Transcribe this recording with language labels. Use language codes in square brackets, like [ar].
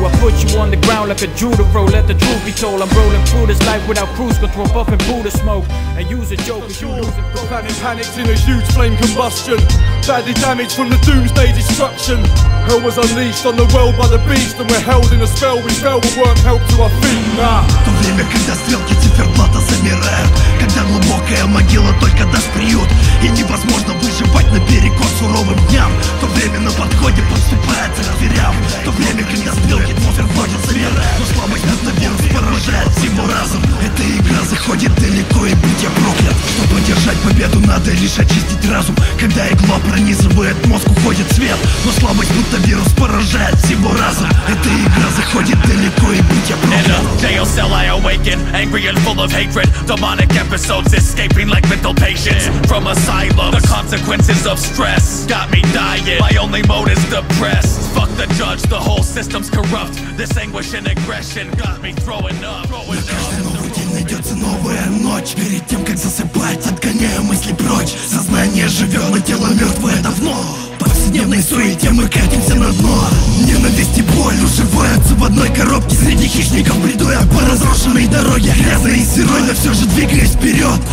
[en] I put you on the ground like a judo, let the truth be told. I'm rolling through this life without cruise control, puffing Buddha smoke and use a joke as you lose it. Panicked in a huge flame combustion, badly damaged from the doomsday destruction. Hell was unleashed on the world by the beast, and we're held in a spell. We fell, we weren't held to our feet, nah. [ru] То время, когда стрелки циферблата замирают, когда глубокая могила только даст приют, и невозможно выживать на перекос суровым дням. То время на подходе подступается к дверям. То время, когда стрелки циферблата замирают, но слабость над навирус поражает всему разум. Эта игра заходит далеко, и будь я проклят. Чтобы держать победу, надо лишь очистить разум. Когда игла пронизывает мозг, уходит свет, но слабость будто вирус поражает всего разум. Эта игра заходит далеко, и будь я проклят. [en] In a jail cell I awaken, angry and full of hatred. Demonic episodes escaping like mental patients from asylum. The consequences of stress got me dying. My only mode is depressed. Fuck the judge, the whole system's corrupt. This anguish and aggression got me throwing up. [ru] Найдется новая ночь. Перед тем, как засыпать, отгоняю мысли прочь. Сознание живет, а тело мертвое давно. По повседневной суете мы катимся на дно. Ненависть и боль уживаются в одной коробке. Среди хищников бреду я по разрушенной дороге. Грязный и сырой, но все же двигаюсь вперед.